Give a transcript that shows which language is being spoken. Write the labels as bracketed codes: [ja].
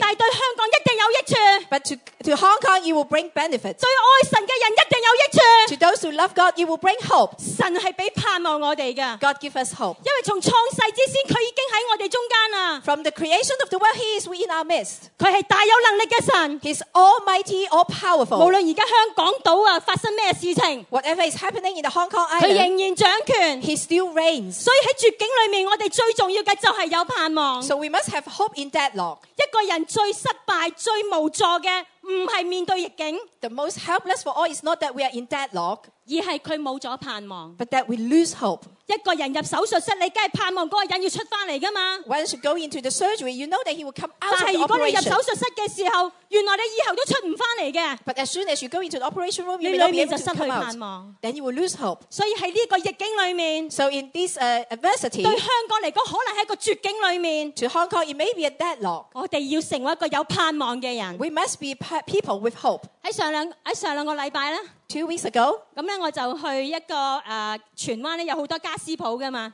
[yue] 但系对香港一定有益处 [en] ，But to Hong Kong it will bring benefit。 [yue] 对爱神嘅人一定有益处 [en] ，To those who love God it will bring hope。 [yue] 神系俾盼望我哋嘅 [en] ，God give us hope。 [yue] 因为从创世之先，佢已经喺我哋中间啦。 [en] From the creation of the world He is within our midst。 [yue] 佢系大有能力嘅神 [en] ，He's almighty, all powerful。 [yue] 无论而家香港岛啊发生咩事情 [en] ，Whatever is happening。 [yue] 佢仍然掌权 [en] ，He still reigns。 [yue] 所以喺绝境里面，我哋最重要嘅就系有盼望。 [en] So we must have hope in deadlock。 [yue] 一个人最失败、最无助嘅，唔系面对逆境 [en] ，The most helpless for all is not that we are in deadlock， [yue] 而系佢冇咗盼望。 [en] But that we lose hope。 [yue] 一个人入手术室，你梗系盼望嗰个人要出翻嚟噶嘛 [en] ？Once you go into the surgery, you know that he will come out of the operation。 [yue] 但系如果你入手术室嘅时候，原来你以后都出唔翻嚟嘅。 [en] But as soon as you go into the operation room, you may not be able to come out。 [yue] 你里面就失去盼望。 [en] Then you will lose hope。 [yue] 所以喺呢个逆境里面 [en] ，So in this adversity， [yue] 对香港嚟讲，可能系一个绝境里面。 [en] To Hong Kong, it may be a deadlock。 [yue] 我哋要成为一个有盼望嘅人。 [en] We must be people with hope。 [yue] 喺上两个礼拜咧。 [en] Two weeks ago， [yue] 咁咧我就去一个荃湾咧有好多家私铺噶嘛。